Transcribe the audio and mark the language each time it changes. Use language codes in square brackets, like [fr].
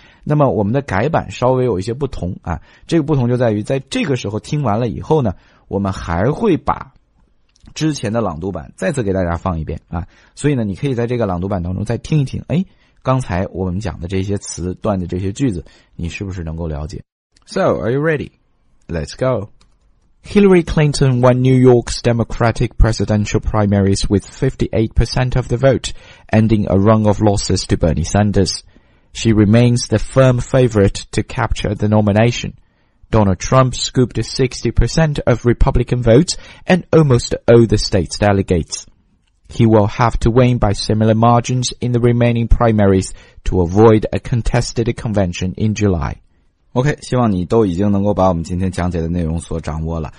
[zh] 那么我们的改版稍微有一些不同啊，这个不同就在于在这个时候听完了以后呢，我们还会把之前的朗读版再次给大家放一遍啊，所以呢你可以在这个朗读版当中再听一听，诶，刚才我们讲的这些词段的这些句子你是不是能够了解。 [en] So are you ready? Let's go. Hillary Clinton won New York's Democratic presidential primaries with 58% of the vote, ending a run of losses to Bernie Sanders. She remains the firm favorite to capture the nomination. Donald Trump scooped 60% of Republican votes and almost all the state's delegates. He will have to win by similar margins in the remaining primaries to avoid a contested convention in July. [zh] OK, 希望你都已经能够把我们今天讲解的内容所掌握了。